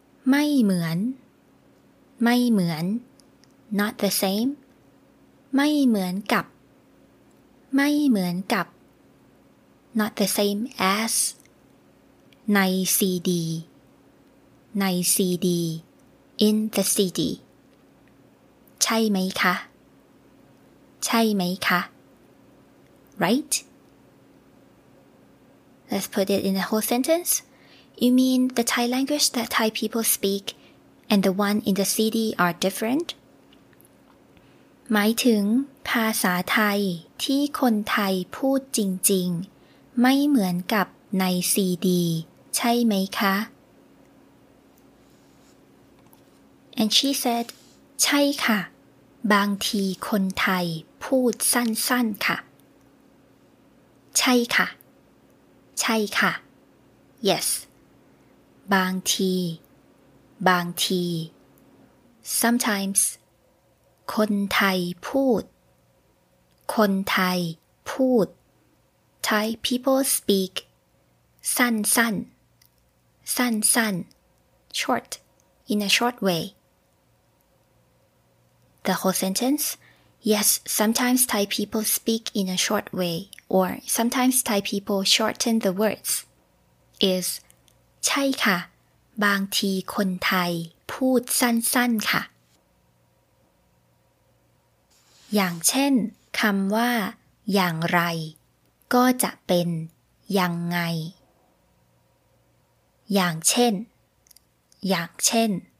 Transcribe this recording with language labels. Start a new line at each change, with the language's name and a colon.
Thai: ไม่เหมือนไม่เหมือน
English: not the same
Thai: ไม่เหมือนกับไม่เหมือนกับ
English: not the same as
Thai: ในซีดีในซีดี
English: in the CD
Thai: ใช่ไหมคะใช่ไหมคะ
English: right Let's put it in the whole sentence. You mean the Thai language that Thai people speak and the one in the city are different?
Thai: หมายถึงภาษาไทยที่คนไทยพูดจริงๆไม่เหมือนกับในซีดีใช่ไหมคะ
English: And she said
Thai: ใช่ค่ะบางทีคนไทยพูดสั้นๆค่ะ ใช่ ค่ ะใช่ค่ะ
English: Yes
Thai: บางทีบางที
English: Sometimes
Thai: คนไทยพูดคนไทยพูด
English: Thai people speak
Thai: สั้นสั้นสั้นสั้น
English: short in a short way The whole sentence Yes, sometimes Thai people speak in a short way or sometimes Thai people shorten the words is
Thai: ใช่ค่ะบางทีคนไทยพูดสั้นสั้นค่ะอย่างเช่นคำว่าอย่างไรก็จะเป็นยังไงอย่างเช่นอย่างเช่น